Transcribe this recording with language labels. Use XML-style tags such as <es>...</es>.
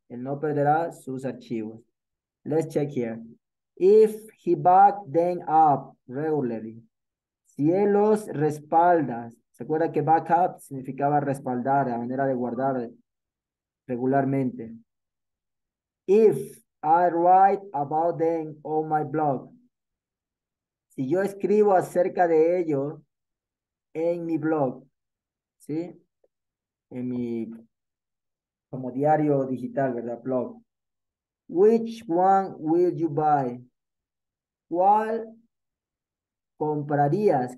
<es>Él no perderá sus archivos.</es> <en>Let's check here. If he back them up regularly.</en> <es>Si él los respalda. ¿Se acuerda que back up significaba respaldar, la manera de guardar regularmente?</es> <en>If I write about them on my blog.</en> <es>Si yo escribo acerca de ellos en mi blog. ¿Sí? En mi, como diario digital, ¿verdad? Blog.</es> <en>Which one will you buy?</en> <es>¿Cuál comprarías?</es>